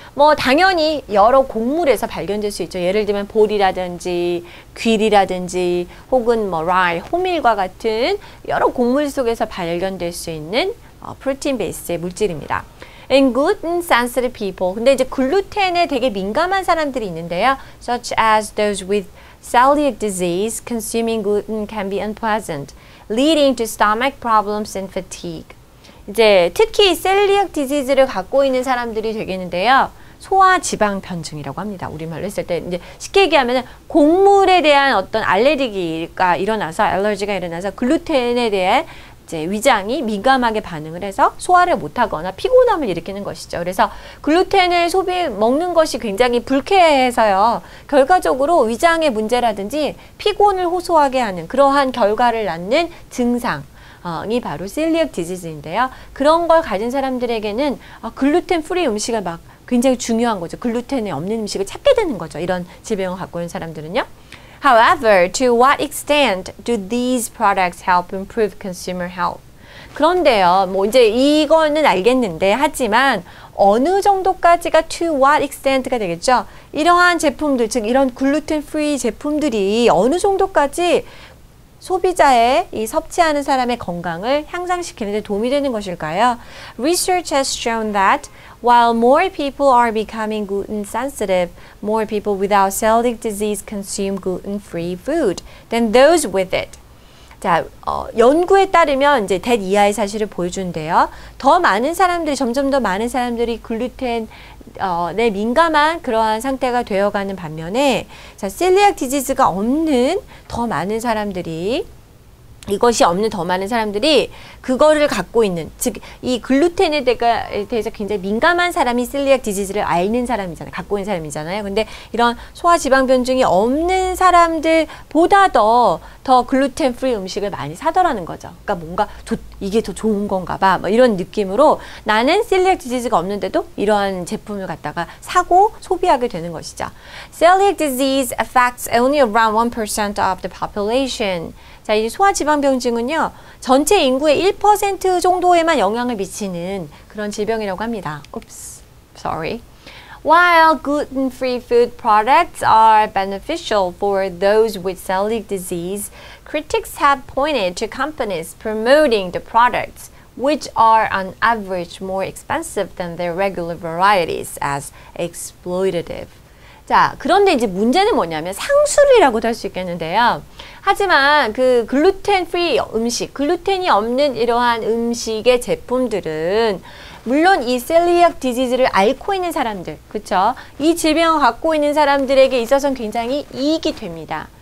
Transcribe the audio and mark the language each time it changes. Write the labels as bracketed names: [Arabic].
[Korean] 뭐 당연히 여러 곡물에서 발견될 수 있죠. 예를 들면 보리라든지 귀리라든지 혹은 뭐 라이, 호밀과 같은 여러 곡물 속에서 발견될 수 있는 프로틴 베이스의 물질입니다. [English] And gluten sensitive people. [Korean] 근데 이제 글루텐에 되게 민감한 사람들이 있는데요. [English] Such as those with celiac disease, consuming gluten can be unpleasant. Leading to stomach problems and fatigue. [Korean] 이제 특히 셀리악 디지즈를 갖고 있는 사람들이 되겠는데요. 소화지방편증이라고 합니다. 우리말로 했을 때 이제 쉽게 얘기하면 곡물에 대한 어떤 알레르기가 일어나서 알러지가 일어나서 글루텐에 대해 이제 위장이 민감하게 반응을 해서 소화를 못하거나 피곤함을 일으키는 것이죠. 그래서 글루텐을 먹는 것이 굉장히 불쾌해서요. 결과적으로 위장의 문제라든지 피곤을 호소하게 하는 그러한 결과를 낳는 증상이 바로 셀리악 디지즈인데요. 그런 걸 가진 사람들에게는 글루텐 프리 음식을 막 굉장히 중요한 거죠. 글루텐이 없는 음식을 찾게 되는 거죠. 이런 질병을 갖고 있는 사람들은요. [English] However, to what extent do these products help improve consumer health? [Korean] 그런데요, 뭐 이제 이거는 알겠는데 하지만 어느 정도까지가 [English] to what extent [Korean] 가 되겠죠? 이러한 제품들, 즉 이런 글루텐 프리 제품들이 어느 정도까지 소비자의 이 섭취하는 사람의 건강을 향상시키는 데 도움이 되는 것일까요? [English] Research has shown that while more people are becoming gluten sensitive, more people without celiac disease consume gluten-free food than those with it. [Korean] 자, 연구에 따르면 이제 대 이하의 사실을 보여주는데요. 더 많은 사람들이 점점 더 많은 사람들이 글루텐 내 민감한 그러한 상태가 되어가는 반면에 자, 셀리악 디지즈가 없는 더 많은 사람들이 이것이 없는 더 많은 사람들이 그거를 갖고 있는 즉 이 글루텐에 대해서 굉장히 민감한 사람이 셀리악 디지즈를 앓는 사람이잖아요. 갖고 있는 사람이잖아요. 근데 이런 소화지방변증이 없는 사람들보다 더 글루텐 프리 음식을 많이 사더라는 거죠. 그러니까 뭔가 이게 더 좋은 건가 봐. 뭐 이런 느낌으로 나는 셀리악 디지즈가 없는데도 이러한 제품을 갖다가 사고 소비하게 되는 것이죠. [English] Celiac disease affects only around 1% of the population. [Korean] 자, 이 소화지방병증은요. 전체 인구의 1% 정도에만 영향을 미치는 그런 질병이라고 합니다. [English] Oops. Sorry. While gluten-free food products are beneficial for those with celiac disease, critics have pointed to companies promoting the products, which are on average more expensive than their regular varieties, as exploitative. [Korean] 자, 그런데 이제 문제는 뭐냐면 상술이라고도 할수 있겠는데요. 하지만 그 글루텐 프리 음식, 글루텐이 없는 이러한 음식의 제품들은 물론 이 셀리악 디지즈를 앓고 있는 사람들, 그렇죠? 이 질병을 갖고 있는 사람들에게 있어서는 굉장히 이익이 됩니다.